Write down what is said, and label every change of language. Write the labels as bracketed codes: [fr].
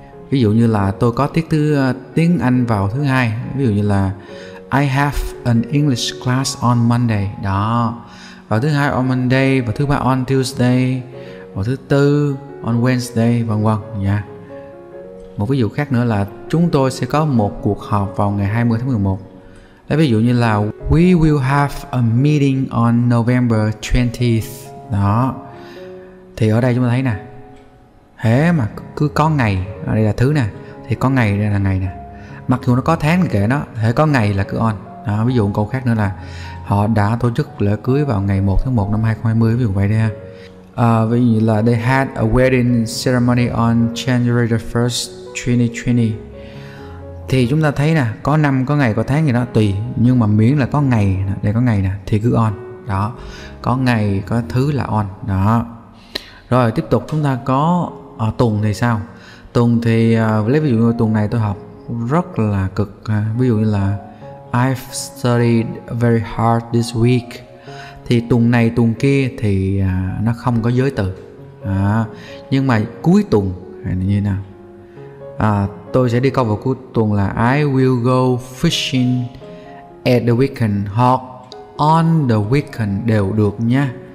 [vi] Ví dụ như là tôi có tiết tiếng Anh vào thứ hai, ví dụ như là [en] I have an English class on Monday. [vi] Đó. Vào thứ hai [en] on Monday, [vi] vào thứ ba [en] on Tuesday, [vi] vào thứ tư [en] on Wednesday, [vi] vân vân nha. Một ví dụ khác nữa là chúng tôi sẽ có một cuộc họp vào ngày 20 tháng 11. Lấy ví dụ như là [en] we will have a meeting on November 20th. [vi] Đó. Thì ở đây chúng ta thấy nè. Thế mà cứ có ngày, ở đây là thứ nè, thì có ngày đây là ngày nè. Mặc dù nó có tháng kể nó, thế có ngày là cứ on. Đó, ví dụ một câu khác nữa là họ đã tổ chức lễ cưới vào ngày 1 tháng 1 năm 2020, ví dụ vậy đây ha. Ví dụ là [en] they had a wedding ceremony on January the 1st, 2020. [vi] Thì chúng ta thấy nè, có năm, có ngày, có tháng gì đó, tùy. Nhưng mà miễn là có ngày, đây có ngày nè, thì cứ on. Đó, có ngày, có thứ là on. Đó. Rồi, tiếp tục chúng ta có tuần thì sao? Tuần thì lấy ví dụ như tuần này tôi học rất là cực. Ví dụ như là [en] I've studied very hard this week. [vi] Thì tuần này tuần kia thì nó không có giới từ. Nhưng mà cuối tuần hay là như thế nào? Tôi sẽ đi câu vào cuối tuần là [en] I will go fishing at the weekend [vi] hoặc [en] on the weekend [vi] đều được nha.